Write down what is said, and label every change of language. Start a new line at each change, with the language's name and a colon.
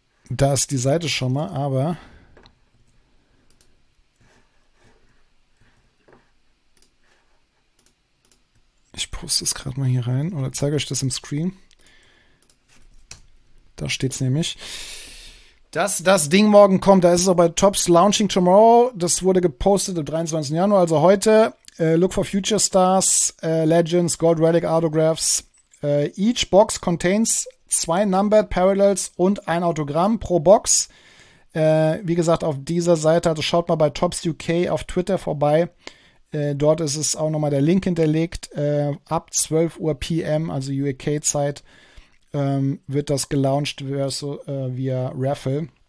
German: Da ist die Seite schon mal, aber ich poste es gerade mal hier rein oder zeige euch das im Screen. Da steht es nämlich. Dass das Ding morgen kommt, da ist es auch bei Tops
English: Launching Tomorrow.
German: Das wurde gepostet am 23. Januar, also heute.
English: Look for Future Stars, Legends, Gold Relic Autographs. Each Box contains 2 Numbered Parallels
German: und ein Autogramm pro Box. Wie gesagt, auf dieser Seite, also schaut mal bei Tops UK auf Twitter vorbei. Dort ist es auch nochmal der Link hinterlegt. Ab 12 Uhr PM, also UK-Zeit, wird das gelauncht via Raffle.